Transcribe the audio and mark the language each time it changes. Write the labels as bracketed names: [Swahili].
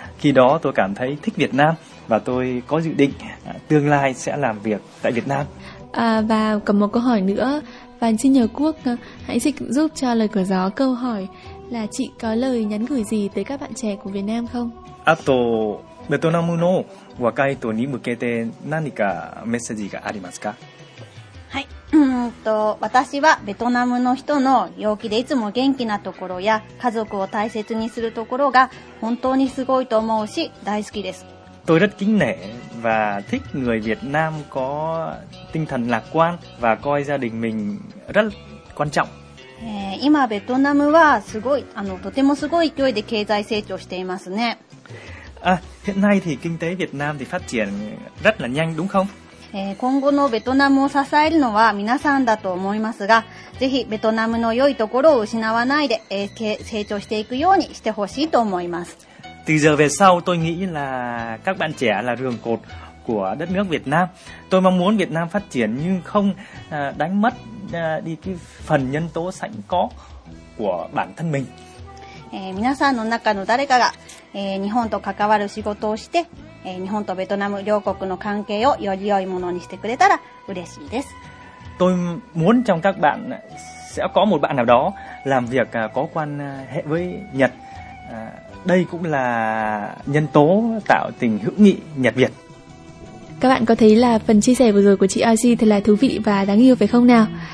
[Vietnamese] Khi đó tôi cảm thấy thích Việt Nam và tôi có dự định tương lai sẽ làm việc tại Việt Nam. Và còn một câu hỏi nữa, và xin nhờ Quốc hãy dịch giúp cho lời của gió câu hỏi là chị có lời nhắn gửi gì tới các bạn trẻ của Việt Nam không? [Japanese] ベトナムの若い人に向けて何かメッセージがありますか？はい、私はベトナムの人の陽気でいつも元気なところや家族を大切にするところが本当にすごいと思うし大好きです。 [Vietnamese] Tôi rất kính nể và thích người Việt Nam có tinh thần lạc quan và coi gia đình mình rất quan trọng. [Japanese] 今ベトナムはすごい、とてもすごい勢いで経済成長していますね。 [Vietnamese] Hiện nay thì kinh tế Việt Nam thì phát triển rất là nhanh đúng không? [Japanese] 今後のベトナムを支えるのは皆さんだと思いますが、ぜひベトナムの良いところを失わないで、成長していくようにしてほしいと思います。 [Vietnamese] Từ giờ về sau tôi nghĩ là các bạn trẻ là rường cột của đất nước Việt Nam. Tôi mong muốn Việt Nam phát triển nhưng không đánh mất đi cái phần nhân tố sẵn có của bản thân mình. [Japanese] 皆さんの中の誰かが日本と関わる仕事をして、日本とベトナム両国の関係をより良いものにしてくれたら嬉しいです。 [Vietnamese] Tôi muốn trong các bạn sẽ có một bạn nào đó làm việc có quan hệ với Nhật. Đây cũng là nhân tố tạo tình hữu nghị Nhật Việt. Các bạn có thấy là phần chia sẻ vừa rồi của chị Aji thật là thú vị và đáng yêu phải không nào?